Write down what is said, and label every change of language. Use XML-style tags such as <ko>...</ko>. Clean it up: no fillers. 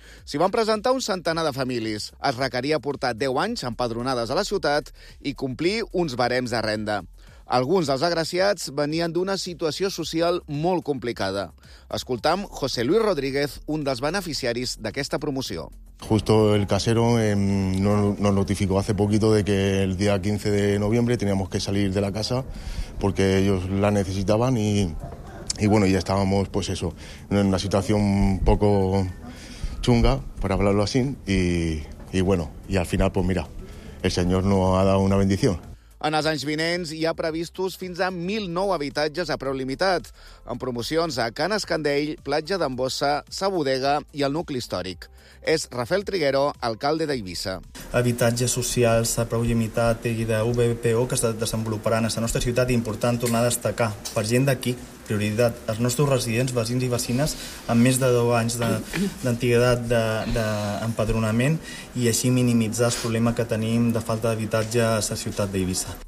<ca>S'hi van presentar un centenar de famílies. Es requeria portar 10 anys empadronades a la ciutat i complir uns barems de renda. Alguns dels agraciats venien d'una situació social molt complicada. Escoltam José Luis Rodríguez, un dels beneficiaris d'aquesta promoció.</ca> <es>Justo el casero nos notificó hace poquito de que el día 15 de noviembre teníamos que salir de la casa porque ellos la necesitaban y bueno, ya estábamos pues eso, en una situación un poco chunga, por hablarlo así, y bueno, y al final pues mira, el señor nos ha dado una bendición.</es> <ca>En els anys vinents hi ha previstos fins a 1.009 habitatges a preu limitat, amb promocions a Can Escandell, Platja d'en Bossa, Sa Bodega i el nucli històric. És Rafael Triguero, alcalde d'Eivissa. Habitatges socials a preu limitat i de VPO que es desenvoluparan a la nostra ciutat i important tornar a destacar per gent d'aquí, prioritat, els nostres residents, veïns i veïnes amb més de 10 anys d'antiguitat d'empadronament i així minimitzar el problema que tenim de falta d'habitatge a la ciutat d'Eivissa.</ca>